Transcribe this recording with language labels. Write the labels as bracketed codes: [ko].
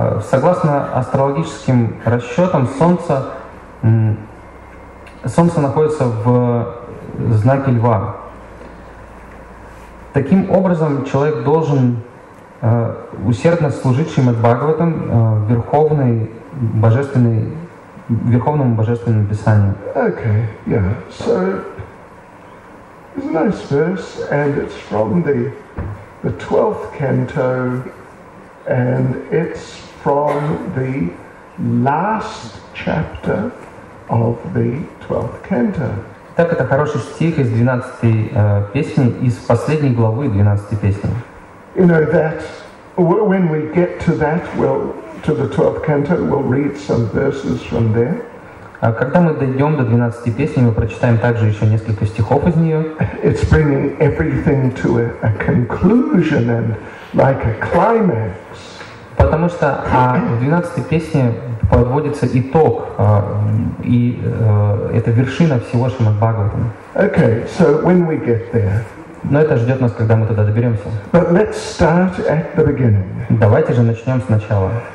[ru] Согласно астрологическим расчетам, солнце находится в знаке Льва. Таким образом, человек должен усердно служить Шримад-Бхагаватам, Верховному Божественному Писанию. [en] Okay, yeah. So, it's a nice verse, and it's from the 12th canto, and it's from the last chapter of the 12th canto. [ru] Так, это хороший стих из 12-й песни, из последней главы 12-й песни. [en] You know, that when we get to that, we'll to the 12th canto, we'll read some verses from there. [ru] Когда мы дойдем до 12-й песни, мы прочитаем также еще несколько стихов из нее. [en] It's bringing everything to a conclusion and like a climax. [ru] Потому что в 12-й песне подводится итог, и это вершина всего Шримад-Бхагаватам. [en] Okay, so when we get there. [ru] Но это ждет нас, когда мы туда доберемся. [en] But let's start at the beginning. [ru] Давайте же начнем сначала.